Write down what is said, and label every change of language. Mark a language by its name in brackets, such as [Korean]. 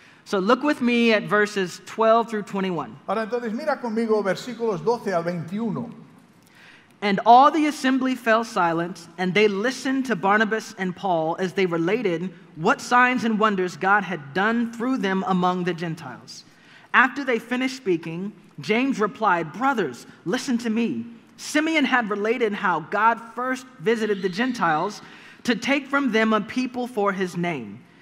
[English] So look with me at verses 12 through 21. [Spanish] Ahora entonces mira conmigo versículos 12 al 21. [English] And all the assembly fell silent, and they listened to Barnabas and Paul as they related what signs and wonders God had done through them among the Gentiles. After they finished speaking, James replied, "Brothers, listen to me. Simeon had related how God first visited the Gentiles to take from them a people for his name.